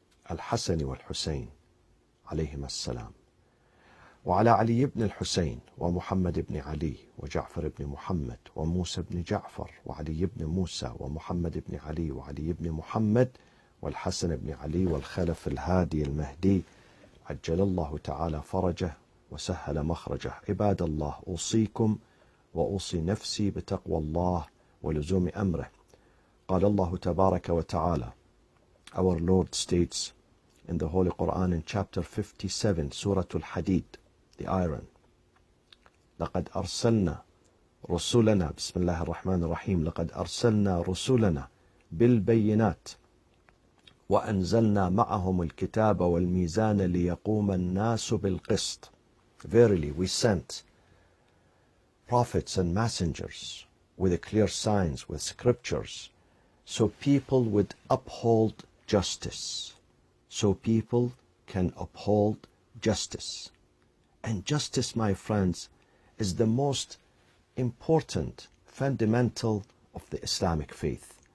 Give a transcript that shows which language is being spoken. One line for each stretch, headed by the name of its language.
Arabic: الحسن والحسين عليهما السلام، وعلى علي بن الحسين ومحمد بن علي وجعفر بن محمد وموسى بن جعفر وعلي بن موسى ومحمد بن علي وعلي بن محمد والحسن بن علي والخلف الهادي المهدي عجل الله تعالى فرجه وسهل مخرجه. عباد الله، أوصيكم وأوصي نفسي بتقوى الله ولزوم أمره. قال الله تبارك وتعالى،
English: Our Lord states in the Holy Quran in chapter 57, سورة الحديد, the iron.
Arabic: لقد أرسلنا رسولنا, بسم الله الرحمن الرحيم, لقد أرسلنا رسولنا بالبينات وأنزلنا معهم الكتاب والميزان ليقوم الناس بالقسط.
English: Verily, we sent prophets and messengers with clear signs, with scriptures, so people would uphold justice, so people can uphold justice. And justice, my friends, is the most important fundamental of the Islamic faith.